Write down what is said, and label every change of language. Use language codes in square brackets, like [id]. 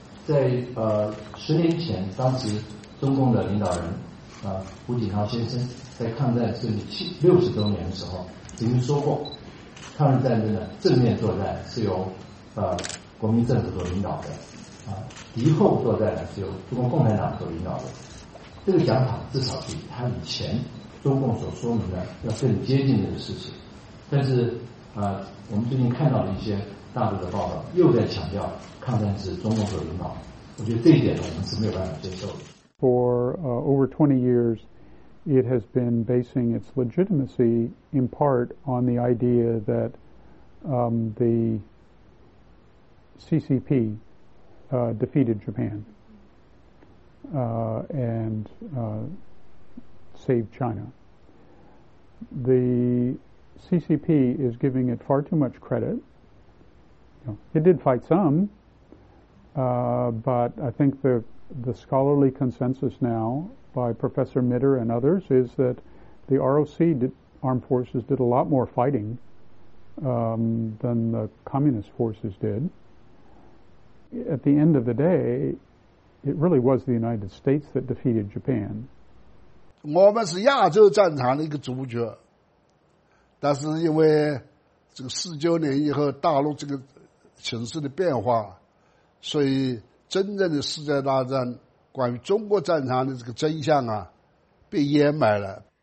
[zh] 在十年前，当时中共的领导人胡锦涛先生在抗战胜利60周年的时候曾经说过，抗日战争的正面作战是由国民政府所领导的，敌后作战呢是由中国共产党所领导的。这个讲法至少比他以前中共所说明的要更接近这个事实。但是我们最近看到了一些大陆的报道又在强调抗战是中共所领导，我觉得这一点呢我们是没有办法接受的。 [en] For over 20 years, it has been basing its legitimacy in part on the idea that the CCP defeated Japan and saved China. The CCP is giving it far too much credit. It did fight some, but I think the scholarly consensus now by Professor Mitter and others is that the ROC armed forces did a lot more fighting than the communist forces did. At the end of the day, it really was the United States that defeated Japan. [zh] 我们是亚洲战场的一个主角，但是因为这个49年以后大陆这个形势的变化，所以真正的世界大战关于中国战场的这个真相啊被掩埋了。